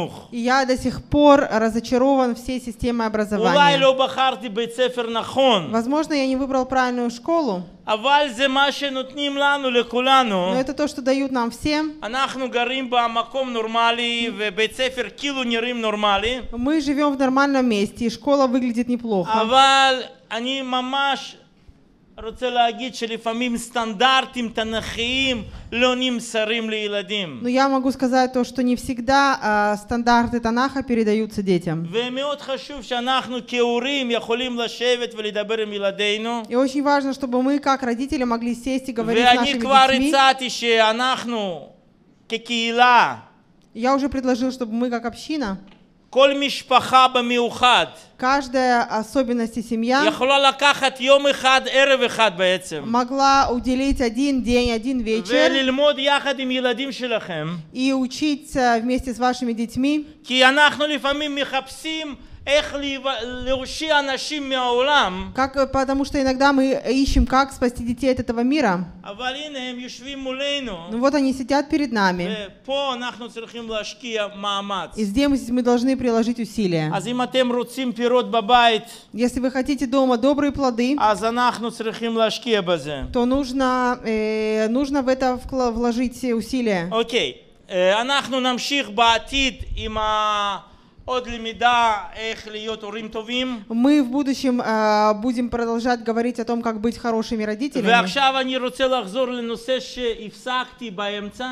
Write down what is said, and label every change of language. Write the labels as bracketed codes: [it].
[ru] И я до сих пор разочарован всей системой образования. Возможно, я не выбрал правильную школу. Но это то, что дают нам всем. Мы живем в нормальном месте, и школа выглядит неплохо. [he] אני ממש רוצה להגיד שלפעמים סטנדרטים תנכיים לא נמסרים לילדים. [ru] Но я могу сказать то, что не всегда стандарты Танаха передаются детям. [he] ומאוד חשוב שאנחנו כהורים יכולים לשבת ולדבר עם ילדינו. [ru] И очень важно, чтобы мы как родители могли сесть и говорить с нашими детьми. [he] ואני כבר הצעתי שאנחנו כקהילה. [ru] Я уже предложил, чтобы мы как община. [he] כל משפחה במיוחד. [ru] Каждая особенность и семья [he] יכולה לקחת יום אחד, ערב אחד בעצם. [ru] Могла уделить один день, один вечер. [he] וללמוד יחד עם ילדים שלכם. [ru] И учить вместе с вашими детьми. [he] כי אנחנו לפעמים מחפשים איך להושיע אנשים מהעולם. [ru] Как, потому что иногда мы ищем, как спасти детей от этого мира. [he] אבל הנה הם יושבים מולנו. [ru] Ну вот они сидят перед нами. [he] ופה אנחנו צריכים להשקיע מאמץ. [ru] И здесь мы должны приложить усилия. [he] אז אם אתם רוצים פירות בבית, [ru] если вы хотите дома добрые плоды, [he] אז אנחנו צריכים להשקיע בזה. [ru] То нужно в это вложить усилия. [he] אוקיי. אנחנו נמשיך בעתיד עם ה... [ru] Мы в будущем будем продолжать говорить о том, как быть хорошими родителями.